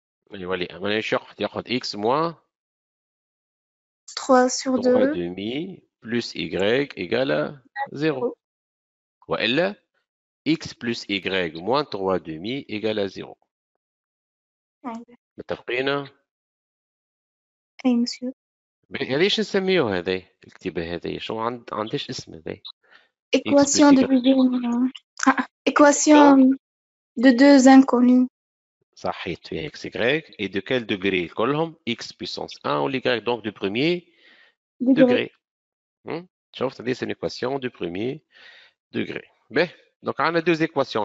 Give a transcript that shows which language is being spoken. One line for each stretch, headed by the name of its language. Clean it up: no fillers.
French: Allez, allez, on est sûr, x moins 3 sur 2. 3 demi plus y égale à 0. Voilà, x plus y moins 3 demi égale à 0. Mais t'as pris, non?
Arabic: اي مسيو ليش نسميه هذا الكتيبة هذه؟ شو عند عندش اسم هذا؟
French: Équation de équation de deux inconnus.
Arabic: صحيت في
French: x y et de quel degré
Arabic: كلهم
French: x puissance 1 ou y donc du premier degré.
Arabic: شوفت هذه
French: une équation du premier degré. Mais donc on a deux équations.